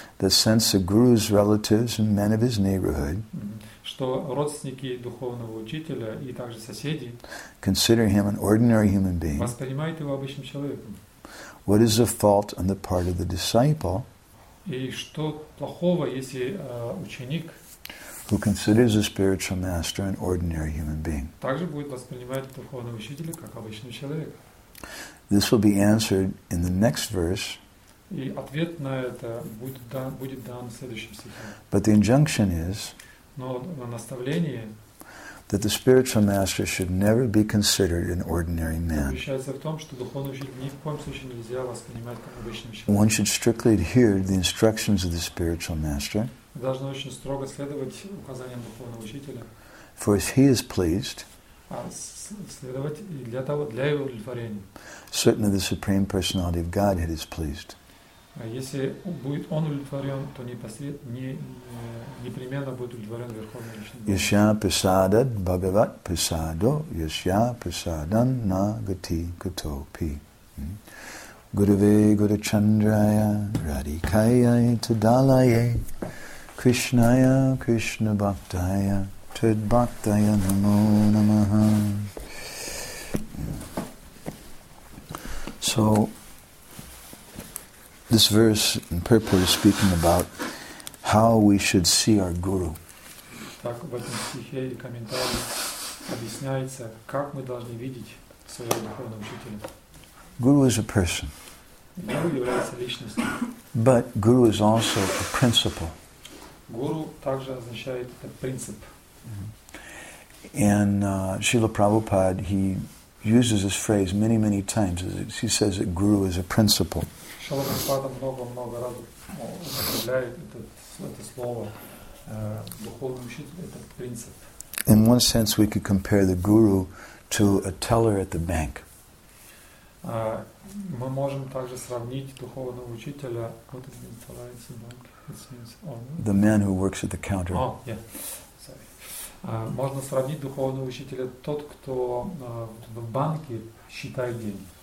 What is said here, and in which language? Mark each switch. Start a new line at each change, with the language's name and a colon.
English: That since the guru's relatives and men of his neighborhood.
Russian: Что родственники духовного учителя и также соседи
English: consider him an ordinary human being.
Russian: Воспринимают его обычным человеком.
English: What is the fault on the part of the disciple?
Russian: И что плохого, если ученик
English: who considers the spiritual master an ordinary human being?
Russian: Также будет воспринимать духовного учителя как обычный человек.
English: This will be answered in the next verse.
Russian: И ответ на это будет дан в следующем стихе.
English: But the injunction is
Russian: наставление
English: that the spiritual master should never be considered an ordinary man.
Russian: Заключается в том, что духовный учитель ни в коем случае нельзя воспринимать как обычный человек.
English: One should strictly adhere to the instructions of the spiritual master.
Russian: Должно очень строго следовать указаниям духовного учителя.
English: For if he is pleased,
Russian: следовать для его удовлетворения.
English: Certainly the Supreme Personality of Godhead is pleased.
Russian: Если будет он удовлетворен, то непременно будет удовлетворен Верховный Личность.
Sanskrit: Яшья Прасадат Бхагават Прасадо, Яшья Прасадан На Гати Гато Пи. Гуруве Гуручандрая Радикая Тадалая, Кришная Кришна Бхактая, Тед Бхактая Намо Намаха.
English: So, this verse in purport is speaking about how we should see our guru.
Russian: Так в этом стихе и комментарии объясняется, как мы должны видеть своего духовного учителя.
English: Guru is a person.
Russian: Guru является личностью.
English: But guru is also a principle.
Russian: Guru также означает это принцип.
English: And Srila Prabhupada, he uses this phrase many, many times. He says that guru is a principle.
Russian: Srila Prabhupada много раз употребляет это слово. Духовный учитель — это принцип.
English: In one sense, we could compare the guru to a teller at the bank.
Russian: Мы можем также сравнить духовного учителя, вот это называется банк,
English: the man who works at the counter.
Russian: Можно сравнить духовного учителя тот, кто в банке считает деньги.